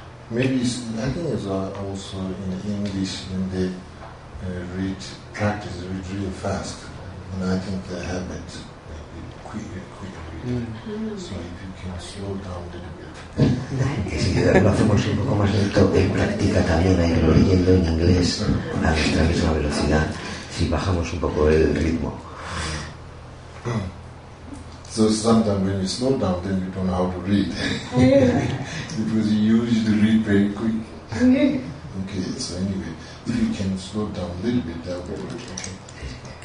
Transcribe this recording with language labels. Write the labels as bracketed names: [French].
[English] Maybe it's, I think it's also in English when they practice real fast, and I think they have it quick reading. So if you can slow down a little bit. [Spanish] Que si lo hacemos un poco más lento, en práctica también hay que irlo leyendo en inglés a nuestra misma velocidad. Si bajamos un poco el ritmo. [English] So sometimes when you slow down, then you don't know how to read. Because you usually read very quick. Okay, so anyway, if you can slow down a little bit, that would be okay.